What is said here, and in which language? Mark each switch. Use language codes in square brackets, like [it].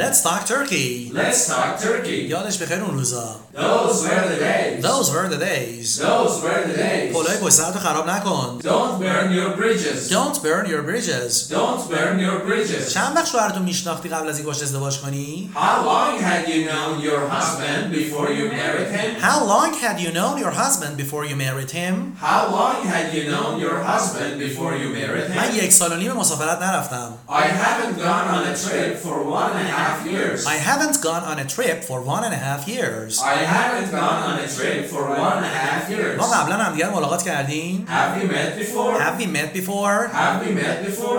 [en] Let's talk turkey. Let's talk turkey. [fa] یادش بخیر اون روزا. [en] Those were the days. Those were the days. Those were the days. [fa] پلای پشتتو خراب نکن. [en] Don't burn your bridges. Don't burn your bridges. Don't burn your bridges. [fa] چند وقت شوهرتو میشناختی قبل از اینکه ازدواج کنی؟ [en] How long had you known your husband before you married him? How long had you known your husband before you married him? How long had you known your husband before you married him? [fa] من یک سال و نیم مسافرت نرفتم. [en] I haven't gone on a trip for 1.5 years. I haven't gone on a trip for 1.5 years. I haven't gone on a trip for 1.5 years. [fa] ما قبلا هم دیگر ملاقات کردیم. [en] Have we met before? Have we met before? Have we met before?